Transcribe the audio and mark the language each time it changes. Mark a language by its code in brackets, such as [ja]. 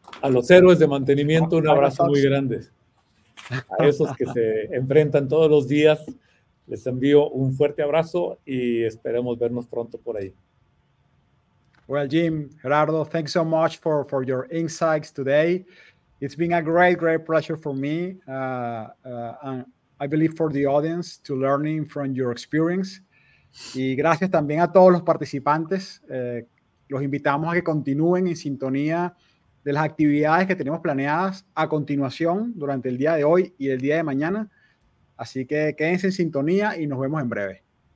[es] A los héroes de mantenimiento, un abrazo muy grande. A esos que se enfrentan todos los días, les envío un fuerte abrazo y esperemos vernos pronto por ahí. [en] Well, Jim, Gerardo, thanks so much for your insights today. It's been a great, great pleasure for me, and I believe for the audience, to learning from your experience. [es] Y gracias también a todos los participantes. Los invitamos a que continúen en sintonía de las actividades que tenemos planeadas a continuación durante el día de hoy y el día de mañana. Así que quédense en sintonía y nos vemos en breve.